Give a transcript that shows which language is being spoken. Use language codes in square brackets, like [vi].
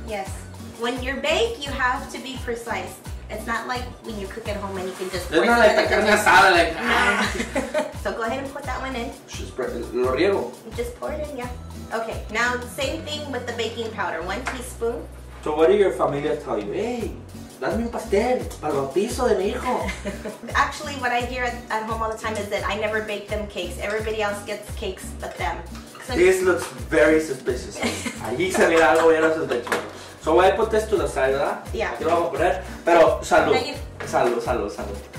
[en] Yes. When you bake, you have to be precise. It's not like when you cook at home and you can just pour it. It's not like the carne asada, like. So go ahead and put that one in. Just spread it. [es] Lo riego. [en] Just pour it in, yeah. Okay, now same thing with the baking powder. 1 teaspoon. So what do your familia tell you? [es] Hey, dame un pastel para el bautizo de mi hijo. [en] Actually, what I hear at home all the time is that I never bake them cakes. Everybody else gets cakes but them. This looks very suspicious. [es] Allí se mira algo bien sospechoso. [en] So [es] voy a [en] put this to the side, [es] ¿verdad? [en] Yeah. [es] Aquí lo vamos a poner. Pero salud. Salud, salud, salud.